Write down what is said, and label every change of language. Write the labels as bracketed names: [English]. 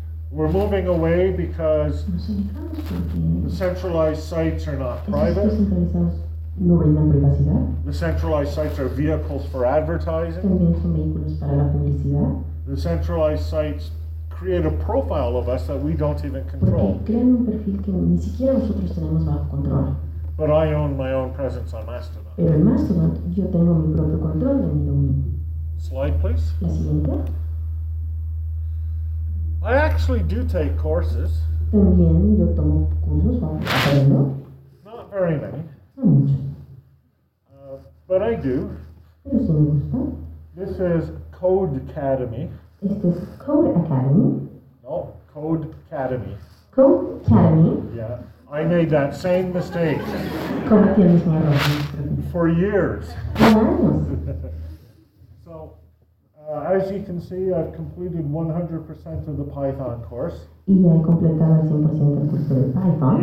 [English] We're moving away because [Spanish] nos alejamos porque [English] the centralized sites are not private. [Spanish] Estos sitios centralizados no brindan privacidad. [English] The centralized sites are vehicles for advertising. [Spanish] También son vehículos para la publicidad. [English] The centralized sites create a profile of us that we don't even control. [Spanish] Porque crean un perfil que ni siquiera nosotros tenemos bajo control. [English] But I own my own presence on Mastodon. [Spanish] Pero en Mastodon yo tengo mi propio control de mi dominio. [English] Slide, please. [Spanish] La siguiente. [English] I actually do take courses. [Spanish] También yo tomo cursos para aprender. [English] Not very many. [Spanish] No mucho. [English] But I do. [Spanish] Pero sí me gusta. [English] This is Code Academy. [Spanish] Este es Code Academy. [English] No, Code Academy. [Spanish] Code Academy. [English] Yeah, I made that same mistake. [Spanish] Cometí el mismo error. [English] For years. [Spanish] Por años. [English] So, as you can see, I've completed 100% of the Python course. [Spanish] Y ya he completado el 100% del curso de Python.